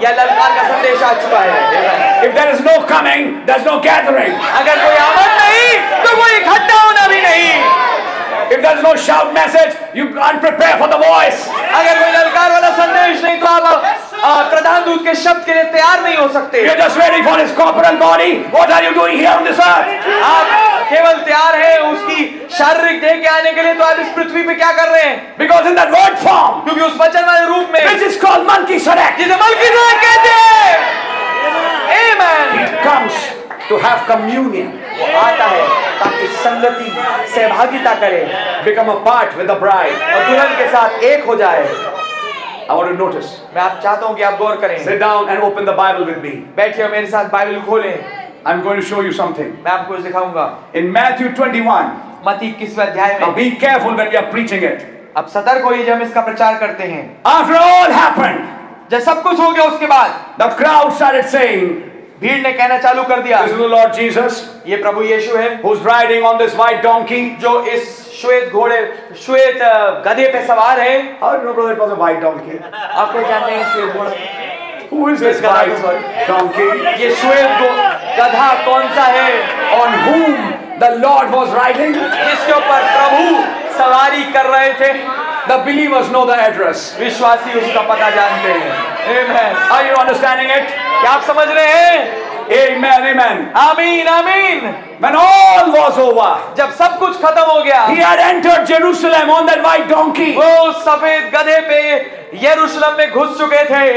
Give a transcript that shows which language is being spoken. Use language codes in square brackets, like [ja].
[hi] या ललकार का संदेश आ चुका है? [en] If there is no coming, there's no gathering. [hi] अगर कोई आमद नहीं, तो वो इकट्ठा होना भी नहीं. [en] If there's no sharp message, you can't prepare for the voice. [hi] अगर कोई ललकार वाला संदेश नहीं तो आप प्रधान दूत के शब्द के लिए तैयार नहीं हो सकते. [en] You're just waiting for his corporal body. What are you doing here on this earth? [hi] आप केवल तैयार हैं उसकी शारीरिक देह के आने के लिए, तो आप इस पृथ्वी पे क्या कर रहे हैं? [en] Because in that word form, [hi] क्योंकि उस वचन वाले रूप में, [en] which is called monkey sadak, [hi] जिसे मलकी सदक कहते हैं. Amen. [en] He comes to have communion. [hi] वो आता है ताकि संगति सहभागिता करे. [en] Become a part with the bride. [hi] और दुल्हन के साथ एक हो जाए. [en] I want to notice. [hi] मैं आप चाहता हूँ कि आप गौर करें. [en] Sit down and open the Bible with me. [hi] बैठिए मेरे साथ बाइबल खोलें. [en] I'm going to show you something. [hi] मैं आपको कुछ दिखाऊंगा. [en] In Matthew 21. [hi] मत्ती 21वें अध्याय में. [en] Now be careful when we are preaching it. [hi] अब सतर्क होइए जब हम इसका प्रचार करते हैं. [en] After all happened. [hi] जब सब कुछ हो गया उसके बाद. [en] The crowd started saying. [hi] भीड़ ने कहना चालू कर दिया. [en] This is the Lord Jesus. [hi] ये प्रभु यीशु है. [en] Who's riding on this white donkey? [hi] जो इस श्वेत घोड़े, श्वेत गधे पे सवार है. [en] How do you know it was a white donkey? [hi] आप कैसे जानते हैं श्वेत घोड़ा? [en] Who is this white donkey? [hi] ये श्वेत गधा कौन सा है? [en] On whom the Lord was riding? [hi] किसके ऊपर प्रभु सवारी कर रहे थे? [en] The believers know the address. [hi] विश्वासी उसका पता जानते हैं. [en] Amen. Are you understanding it? [hi] क्या आप समझ रहे हैं? [en] Amen, amen. Amen, amen. When all was over, [hi] जब सब कुछ खत्म हो गया, [en] he had entered Jerusalem on that white donkey. [hi] वो सफेद गधे पे यरूशलम में घुस चुके थे.